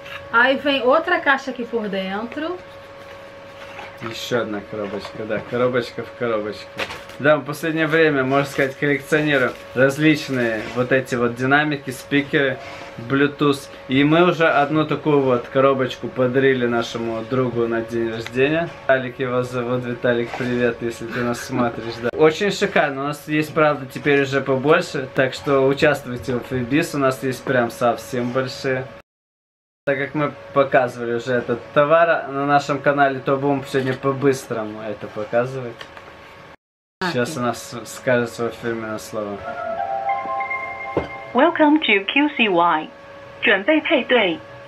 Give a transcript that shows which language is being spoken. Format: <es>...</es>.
<pt>Aí vem outra caixa aqui por dentro.</pt> <ru>Еще одна коробочка, да, коробочка в коробочке. Да, в последнее время, можно сказать, коллекционируем различные вот эти вот динамики, спикеры, Bluetooth. И мы уже одну такую вот коробочку подарили нашему другу на день рождения. Виталик, его зовут. Виталик, привет, если ты нас смотришь, да. Очень шикарно, у нас есть, правда, теперь уже побольше, так что участвуйте в Фрибис, у нас есть прям совсем большие. Так как мы показывали уже этот товар на нашем канале, то будем сегодня по-быстрому это показывать. Сейчас она скажет свое фирменное слово.</ru> <en>Welcome to QCY.</en> <zh>准备配对.</zh>